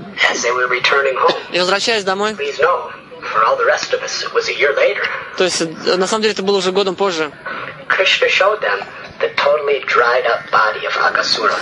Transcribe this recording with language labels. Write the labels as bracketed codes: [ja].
[en] As they were returning home. [ru] И возвращаясь домой. [en] Please know. For all the rest of us, it was a year later. [ru] То есть, на самом деле, это было уже годом позже. [en] Krishna showed them the totally dried up body of Akasura.